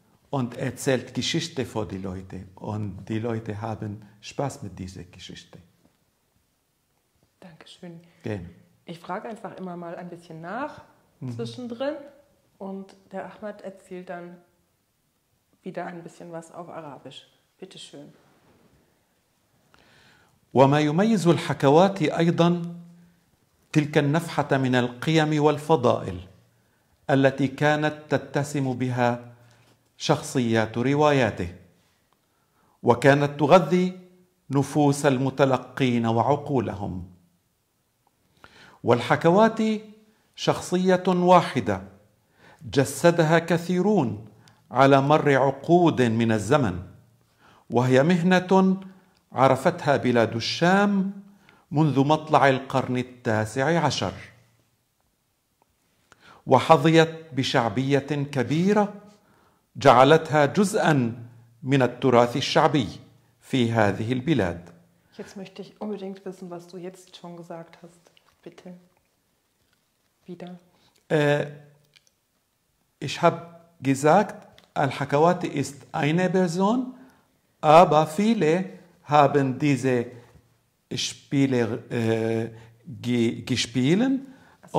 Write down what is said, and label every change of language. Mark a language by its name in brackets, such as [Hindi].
[German] und erzählt Geschichte vor die Leute. Und die Leute haben Spaß mit dieser Geschichte. Dankeschön. Gerne. Ich frage einfach immer mal ein bisschen nach zwischendrin. Und der Ahmad erzählt dann wieder ein bisschen was auf Arabisch. Bitte schön. [Arabic] وما يميز الحكوات أيضا تلك النفحة من القيم والفضائل التي كانت تتسم بها شخصيات رواياته وكانت تغذي نفوس المتلقين وعقولهم والحكوات شخصية واحدة جسدها كثيرون على مر عقود من الزمن وهي مهنة عرفتها بلاد الشام منذ مطلع القرن التاسع عشر وحظيت بشعبية كبيرة جعلتها جزءا من التراث الشعبي في هذه البلاد. [German] Jetzt möchte ich unbedingt wissen, was du jetzt schon gesagt hast. Bitte. Wieder. Ich habe gesagt, Al-Hakawati ist eine Person, aber viele haben diese Spiele gespielt also